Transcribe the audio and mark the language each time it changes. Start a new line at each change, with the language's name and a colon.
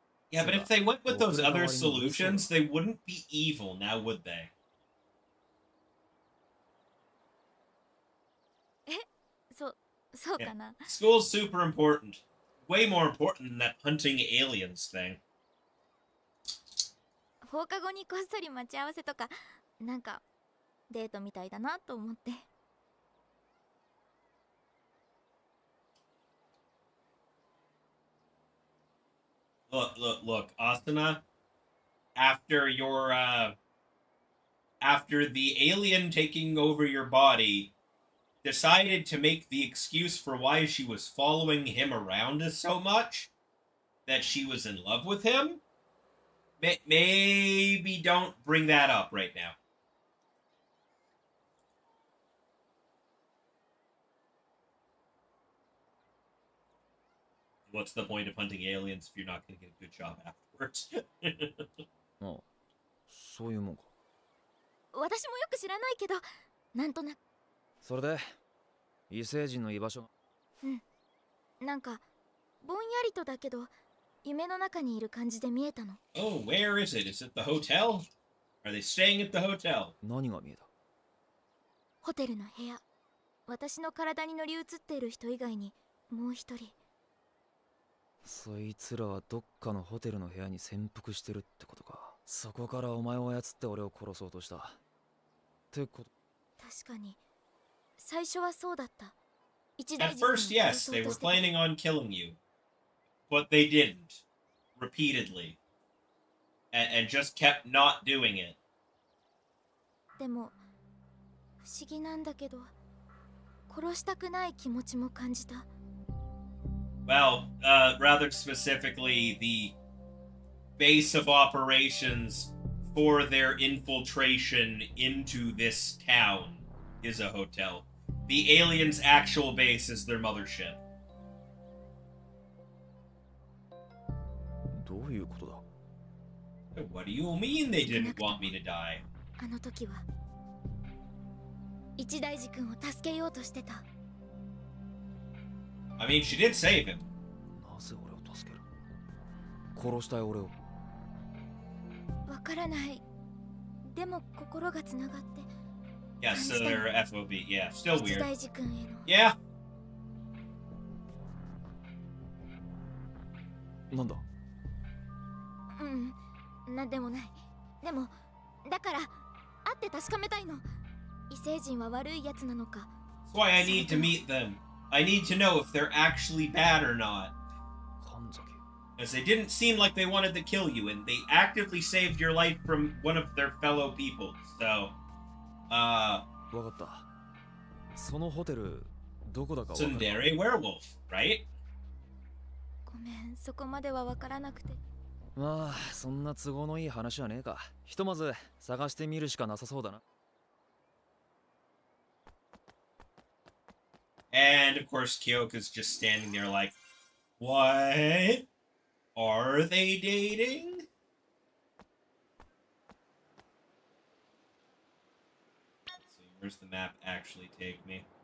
English: Yeah, but if they went with those other solutions, they wouldn't be evil now, would they?
Japanese: え?そうかな?
English: School's super important. Way more important than that hunting aliens thing.
Japanese: 放課後にこっそり待ち合わせとか、なんかデートみたいだなと思って。
English: Look, Asuna, after your, after the alien taking over your body decided to make the excuse for why she was following him around us so much, that she was in love with him. Maybe don't bring that up right now. What's the point of hunting aliens if you're not going to get a good job afterwards? Oh, so you mean?
Japanese: 私もよく知らないけど、なんとなく。それで、異星人の居場所が。うん。なんか、ぼんやりとだけど、夢の中にいる感じで見えたの。
English: Oh, where is it? Is it the hotel? Are they staying at the hotel?
Japanese: 何が見えた？ホテルの部屋。私の体に乗り移っている人以外に、もう一人。そいつらはどっかのホテルの部屋に潜伏してるってことか。そこからお前を操って俺を殺そうとしたってこと。確かに最初はそうだった。一大事に。
English: At first, yes, they were planning on killing you, but they didn't repeatedly and just kept not doing it.
Japanese: でも不思議なんだけど、殺したくない気持ちも感じた。
English: Well, rather specifically theBase of operations for their infiltration into this town is a hotel. The aliens' actual base is their mothership.
Japanese: どういうことだ?
English: What do you mean they didn't want me to die?
Japanese: あの時は一大事君を助けようとしてた。
English: I mean, she did save him.
Japanese: なぜ俺を助ける?殺したい俺を。わからない。でも心がつながって。
English: Yeah, so they're FOB. Yeah, still weird.
Japanese: 一大事君への。
English: Yeah!
Japanese: なんだ? うん、なんでもない。でも、だから、会って確かめたいの。異星人は悪いやつなのか。
English: That's why I need to meet them. I need to know if they're actually bad or not. As they didn't seem like they wanted to kill you, and they actively saved your life from one of their fellow people, so...
Japanese: わかった。そのホテル、どこだかわかる。
English: Tsundere Werewolf, right?
Japanese: ごめん、そこまではわからなくて。まあ、そんな都合のいい話はねえか。ひとまず、探してみるしかなさそうだな。
English: And of course, Kyoka's just standing there like, What? Are they dating? Let's see, where's the map actually take me?